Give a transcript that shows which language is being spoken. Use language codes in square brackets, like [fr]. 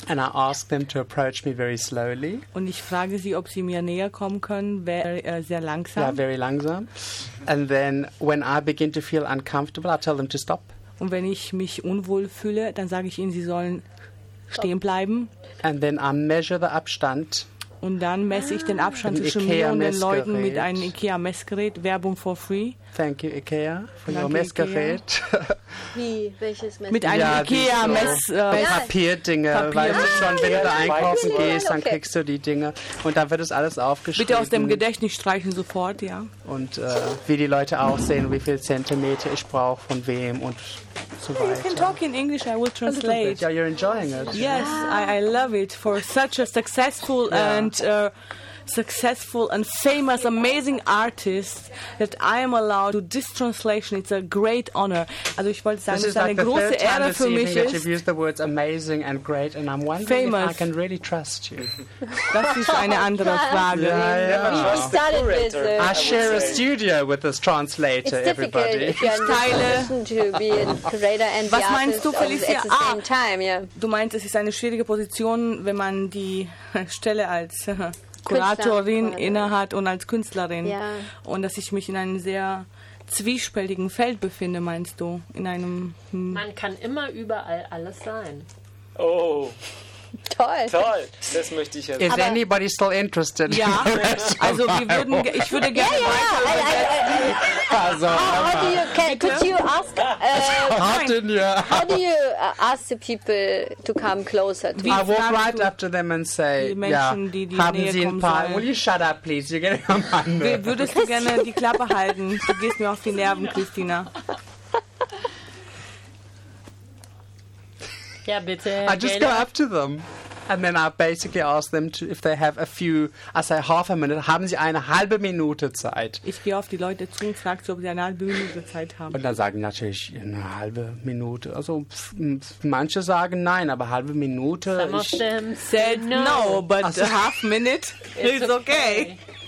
[en] And I ask them to approach me very slowly. [de] Und ich frage sie, ob sie mir näher kommen können, sehr langsam. [en] Yeah, very langsam. And then when I begin to feel uncomfortable, I tell them to stop. [de] Und wenn ich mich unwohl fühle, dann sage ich ihnen, sie sollen stehen bleiben. [en] And then I measure the Abstand. [de] Und dann messe ich den Abstand zwischen mir und den Leuten mit einem IKEA-Messgerät. Werbung [en] for free. Thank you, IKEA, for your Messgerät. [de] Wie? Welches Messgerät? Mit einem IKEA-Mess... Papierdinge. Wenn du da einkaufen gehst, dann kriegst du die Dinge. Und dann wird es alles aufgeschrieben. Bitte aus dem Gedächtnis streichen sofort, ja. Und wie die Leute aussehen, wie viele Zentimeter ich brauche, von wem und so weiter. [en] You can talk in English, I will translate. Yeah, you're enjoying it. Yes, I love it for such a successful... And successful and famous, amazing artist that I am allowed to do this translation. It's a great honor. [de] Also, ich wollte sagen, [en] this [de] es ist eine große Ehre für mich. [en] You have used the words amazing and great, and I'm wondering famous. If I can really trust you. [de] Das ist eine andere Frage. [en] I share a studio with this translator. It's everybody. It's difficult. If you're to be a creator and the artist at the same time, yeah. [de] Du meinst, es ist eine schwierige Position, wenn man die Stelle als Kuratorin innehat und als Künstlerin. Ja. Und dass ich mich in einem sehr zwiespältigen Feld befinde, meinst du? In einem. Man kann immer überall alles sein. Oh. Toll. Toll. Das möchte ich jetzt. [en] Is aber anybody still interested? [de] Ja. Also, ich würde gerne. Ja, ja, ja. Also, [en] could you ask. How do you ask the people to come closer to me? I walk right up to them and say, [de] haben Sie ein paar... [en] Will you shut up, please? You're getting on my nerves. [de] Würdest du gerne die Klappe halten? Du gehst mir auf die Nerven, Christina. Ja, bitte. [en] I just go up to them. And then I basically ask them to, if they have a few... I say half a minute. [de] Haben Sie eine halbe Minute Zeit? Ich gehe auf die Leute zu und frage, ob sie eine halbe Minute Zeit haben. Und dann sagen die natürlich, eine halbe Minute. Also manche sagen nein, aber halbe Minute... [en] Some of them said no, but also, a half minute is okay.